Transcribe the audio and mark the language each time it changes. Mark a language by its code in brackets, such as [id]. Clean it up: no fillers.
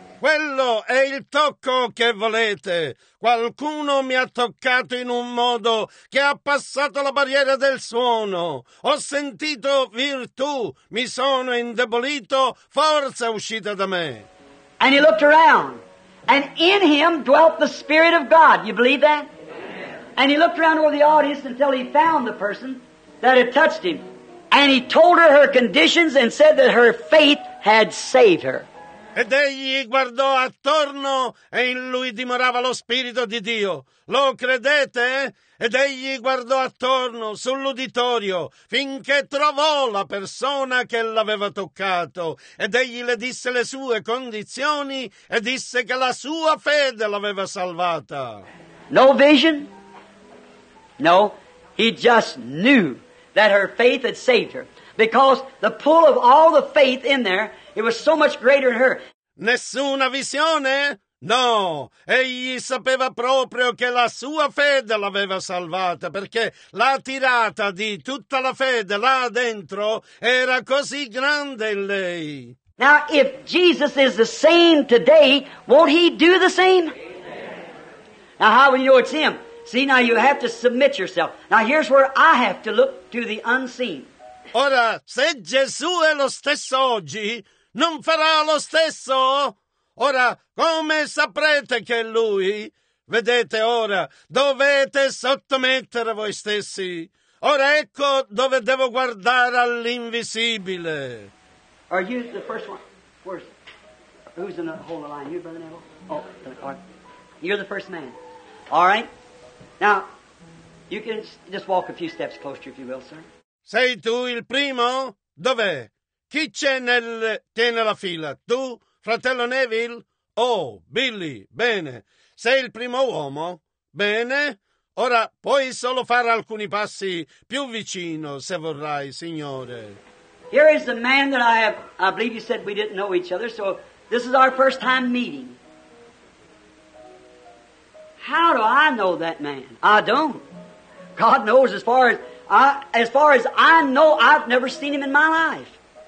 [it] Quello è il tocco che volete. Qualcuno mi ha toccato in un modo che ha passato la barriera del suono. Ho sentito virtù, mi sono indebolito, forza uscita da me. [en] And he looked around, and in him dwelt the Spirit of God. You believe that? Amen. And he looked around over the audience until he found the person that had touched him. And he told her her conditions and said that her faith had saved her. [it] Ed egli guardò attorno e in lui dimorava lo Spirito di Dio. Lo credete? Ed egli guardò attorno sull'uditorio finché trovò la persona che l'aveva toccato. Ed egli le disse le sue condizioni e disse che la sua fede l'aveva salvata. [en] No vision? No. He just knew that her faith had saved her. Because the pull of all the faith in there, it was so much greater in her. [it] Nessuna visione? No. Egli sapeva proprio che la sua fede l'aveva salvata, perché la tirata di tutta la fede là dentro era così grande in lei. [en] Now, if Jesus is the same today, won't he do the same? Amen. Now, how will you know it's him? See, now you have to submit yourself. Now here's where I have to look to the unseen. [it] Ora, se Gesù è lo stesso oggi, non farà lo stesso? Ora, come saprete che è Lui? Vedete ora, dovete sottomettere voi stessi. Ora ecco dove devo guardare all'invisibile. [en] Are you the first one? Where's who's in the whole line? You, Brother Neville? Oh, you're the first man. All right. Now, you can just walk a few steps closer if you will, sir. [it] Sei tu il primo? Dov'è? Chi c'è nel tiene la fila? Tu, fratello Neville? Oh, Billy, bene. Sei il primo uomo? Bene. Ora puoi solo fare alcuni passi più vicino, se vorrai, signore. [en] Here is the man that I believe you said we didn't know each other, so this is our first time meeting. How do I know that man? I don't. God knows as far as I know, I've never seen him in my life.